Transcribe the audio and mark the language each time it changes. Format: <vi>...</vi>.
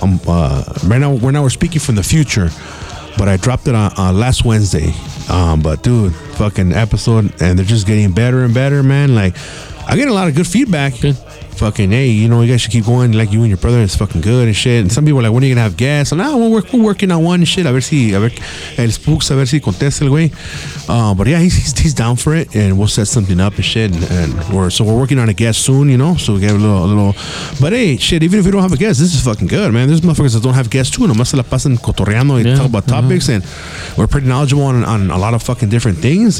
<en>Right now, we're speaking from the future, but I dropped it on last Wednesday. But, dude, fucking episode, and they're just getting better and better, man. Like, I get a lot of good feedback. Good. Fucking hey, you know, you guys should keep going, like you and your brother, it's fucking good and shit. And some people are like, when are you gonna have guests? And now we're working on one and shit.</en> <es>A ver el spooks, a ver si contesta el güey.</es> <en>But yeah, he's down for it, and we'll set something up and shit. And we're working on a guest soon, you know, so we get a little. But hey, shit, even if we don't have a guest, this is fucking good, man. There's motherfuckers that don't have guests too, and</en> <es>nomás se la pasan cotorreando</es> <en>and talk about topics. And we're pretty knowledgeable on a lot of fucking different things.</en>